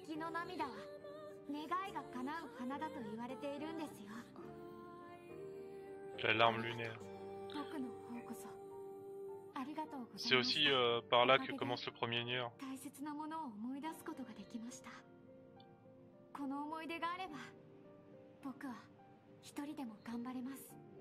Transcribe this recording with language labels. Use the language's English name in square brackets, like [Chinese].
[Japanese] 涙は願いが叶う花だと言われているんですよ。 [French] La larme lunaire. [Japanese] 僕の方こそありがとうございます。 [French] C'est aussi par là que commence le premier Nier. [Japanese] 大切なものを思い出すことができました。この思い出があれば、僕は一人でも頑張れます。